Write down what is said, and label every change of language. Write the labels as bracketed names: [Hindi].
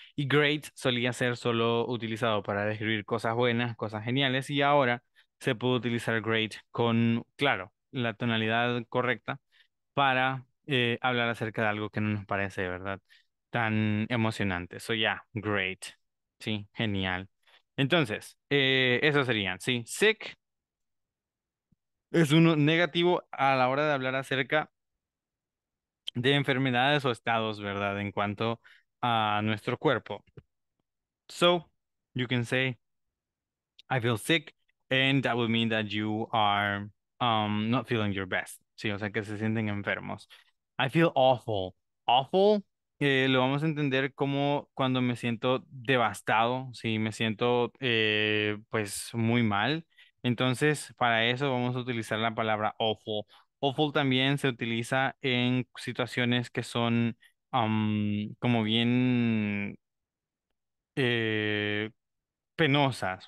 [Spanish] Y great solía ser solo utilizado para describir cosas buenas, cosas geniales, y ahora se puede utilizar great con, claro, la tonalidad correcta para hablar acerca de algo que no nos parece, ¿verdad?, tan emocionante. [English] So yeah, great. [Spanish] Sí, genial. Entonces, eso serían, sí. Sick es uno negativo a la hora de hablar acerca de enfermedades o estados, ¿verdad? En cuanto a nuestro cuerpo. [English] So, you can say, I feel sick, and that would mean that you are not feeling your best. [Spanish] Sí, o sea, que se sienten enfermos. [English] I feel awful. Awful. [Spanish] Lo vamos a entender como cuando me siento devastado, si ¿sí? Me siento pues muy mal. Entonces, para eso vamos a utilizar la palabra awful. Awful también se utiliza en situaciones que son como bien penosas.